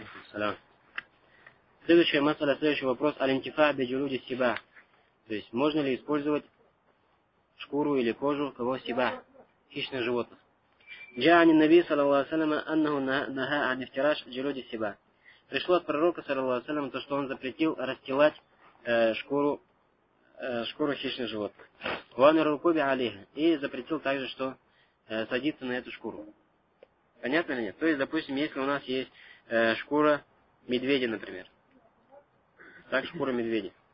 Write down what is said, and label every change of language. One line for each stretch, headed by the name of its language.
Russian: Салам. Следующая масала, следующий вопрос.
Arabic: «Алинтифа беджулуди сиба».
Russian: То есть, можно ли использовать шкуру или кожу кого сиба, хищных животных?
Arabic: جاء عن النبي صلى الله عليه وسلم أنه نهى عن افتراش جلود السباع.
Russian: Пришло от пророка
Arabic: صلى الله عليه وسلم
Russian: то, что он запретил расстилать шкуру хищных животных.
Arabic: Ванарукоби алейха.
Russian: И запретил также, что садиться на эту шкуру. Понятно или нет? То есть, допустим, если у нас есть шкура медведя, например. Так, шкура медведя.